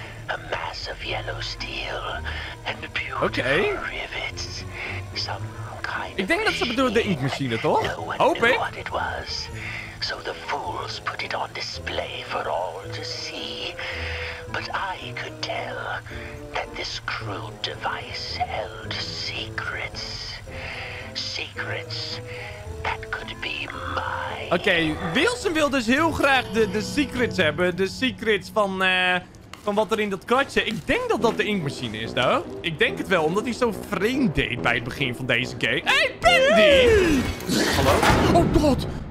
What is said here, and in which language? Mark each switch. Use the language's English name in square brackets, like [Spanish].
[English] A mass of yellow steel and beautiful rivets. Some kind of [Dutch] ik denk dat ze bedoelde de inkmachine, toch? Hoop ik. [English] So the fools put it on display for all to see. But I could tell that this crude device held secrets. Secrets that could be mine. [Dutch] Okay, Wilson wil dus heel graag de secrets hebben. De secrets van wat er in dat kratje. Ik denk dat de inkmachine is, though. Ik denk het wel, omdat hij zo vreemd deed bij het begin van deze game. Hey, Pindy! Hallo? Oh, god!